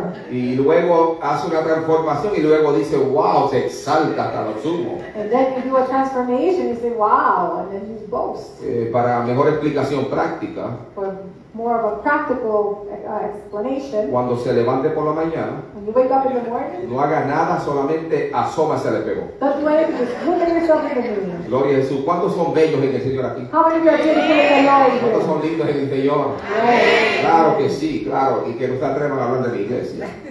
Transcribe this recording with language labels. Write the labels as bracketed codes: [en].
[es] Y luego hace una transformación y luego dice, wow, se exalta hasta lo sumo. [en] And then you do a transformation, you say, wow, and then you boast. [es] Para mejor explicación práctica. [en] For more of a practical explanation. [es] Cuando se levante por la mañana. [en] When you wake up in the morning. [es] No haga nada, solamente asómase al espejo. [en] Don't do anything, just look at yourself in the mirror. [es] Gloria a Jesús. ¿Cuántos son bellos en el Señor aquí? [en] How many of you are beautiful in the Lord? [es] ¿Cuántos son lindos en el Señor? Claro que sí, claro, y que no se atrevan a hablar de la iglesia.